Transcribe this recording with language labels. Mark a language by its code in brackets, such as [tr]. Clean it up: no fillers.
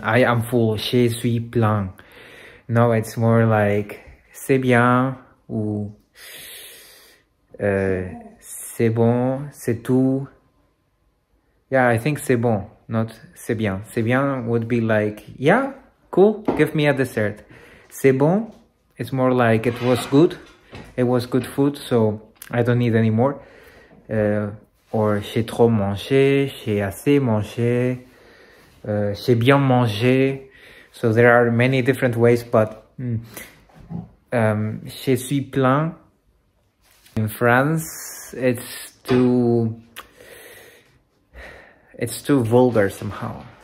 [en] I am full, [fr] je suis plein. [en] No, it's more like, [fr] c'est bien, ou c'est bon, c'est tout. [en] Yeah, I think [fr] c'est bon, [en] not [fr] c'est bien. C'est bien [en] would be like, yeah, cool, give me a dessert. [fr] C'est bon, [en] it's more like it was good. It was good food, so I don't need any more. [fr] Or j'ai trop mangé, j'ai assez mangé, j'ai bien mangé. [en] So there are many different ways, but [fr] je suis plein. [en] In France, it's too vulgar somehow.